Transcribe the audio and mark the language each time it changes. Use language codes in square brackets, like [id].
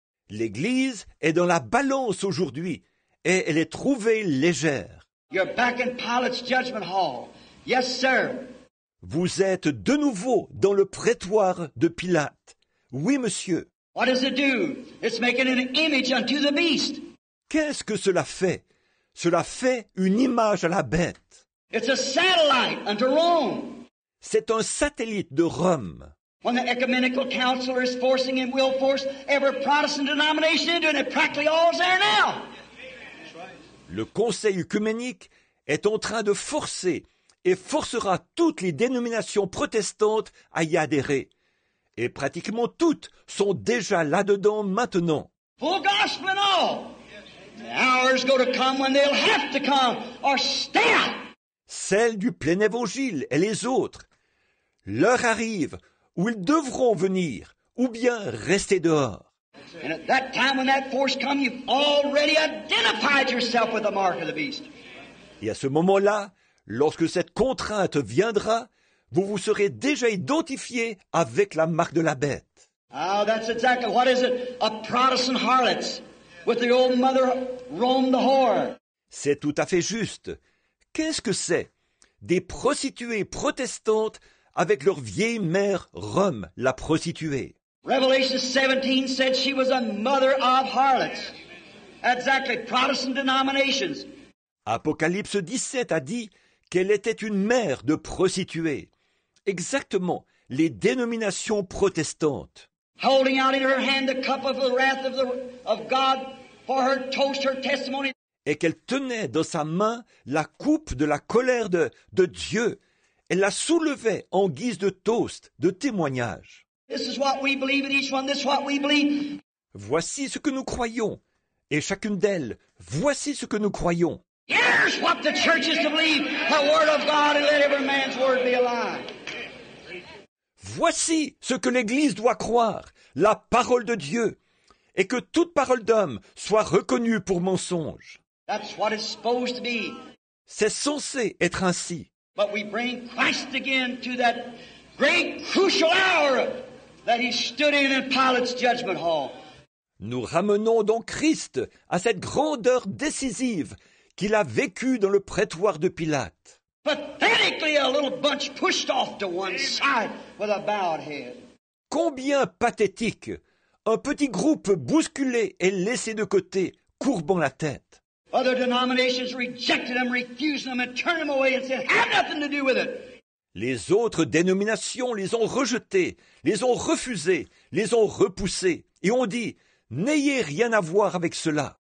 [fr] L'Église est dans la balance aujourd'hui et elle est trouvée légère. [en] You're back in Pilate's judgment hall. Yes, sir. [fr] Vous êtes de nouveau dans le prétoire de Pilate. Oui, monsieur. [en] What does it do? It's making an image unto the beast. [fr] Qu'est-ce que cela fait? Cela fait une image à la bête. [en] It's a satellite unto Rome. [fr] C'est un satellite de Rome. [en] When the ecumenical council is forcing and will force every Protestant denomination into it, and practically all is there now. [fr] Le conseil œcuménique est en train de forcer et forcera toutes les dénominations protestantes à y adhérer. Et pratiquement toutes sont déjà là-dedans maintenant. [en] Full gospel and all. Hours go to come when they'll have to come or stay out. [fr] Celles du plein évangile et les autres. L'heure arrive où ils devront venir ou bien rester dehors. [en] And at that time when that force comes, you've already identified yourself with the mark of the beast. [fr] Et à ce moment-là, lorsque cette contrainte viendra, vous vous serez déjà identifié avec la marque de la bête. [en] Ah, oh, that's exactly what is it? A Protestant harlot. With the old mother Rome the whore. [fr] C'est tout à fait juste. Qu'est-ce que c'est? Des prostituées protestantes avec leur vieille mère Rome, la prostituée. [en] Revelation 17 said she was a mother of harlots. Exactly, Protestant denominations. [fr] Apocalypse 17 a dit qu'elle était une mère de prostituées. Exactement, les dénominations protestantes. [en] Holding out in her hand the cup of the wrath of God for her toast, her testimony. [fr] Et qu'elle tenait dans sa main la coupe de la colère de Dieu. Elle la soulevait en guise de toast, de témoignage. [en] This is what we believe in each one. This is what we believe. [fr] Voici ce que nous croyons. Et chacune d'elles, voici ce que nous croyons. [en] Here's what the church is to believe. The word of God and let every man's word be a lie. [fr] Voici ce que l'Église doit croire, la parole de Dieu, et que toute parole d'homme soit reconnue pour mensonge. [en] That's what it's supposed to be. [fr] C'est censé être ainsi. [en] But we bring Christ again to that great crucial hour that he stood in Pilate's judgment hall. [fr] Nous ramenons donc Christ à cette grande heure décisive qu'il a vécue dans le prétoire de Pilate. [en] Pathetically, a little bunch pushed off to one side with a bowed head. [fr] Combien pathétique! Un petit groupe bousculé et laissé de côté, courbant la tête. [en] Other denominations rejected them, refused them, and turned them away and said, "Have nothing to do with it." [fr] Les autres dénominations les ont rejetés, les ont refusés, les ont repoussés, et ont dit, "N'ayez rien à voir avec cela."